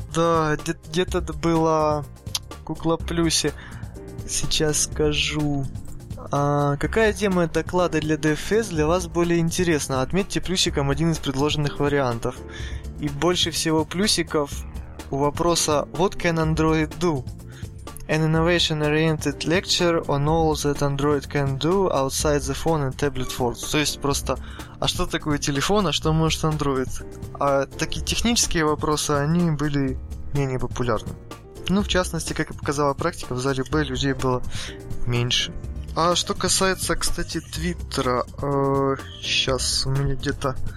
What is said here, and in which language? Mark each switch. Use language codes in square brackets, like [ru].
[ru] Да, где-то было... Кукла Плюсе. Сейчас скажу. Какая тема доклада для DFS для вас более интересна? Отметьте плюсиком один из предложенных вариантов. И больше всего плюсиков у вопроса [en] What can Android do? An innovation-oriented lecture on all that Android can do outside the phone and tablet world. [ru] То есть просто, а что такое телефон, а что может Android? А такие технические вопросы, они были менее популярны. Ну, в частности, как и показала практика, в зале Б людей было меньше. А что касается, кстати, Твиттера, сейчас у меня где-то...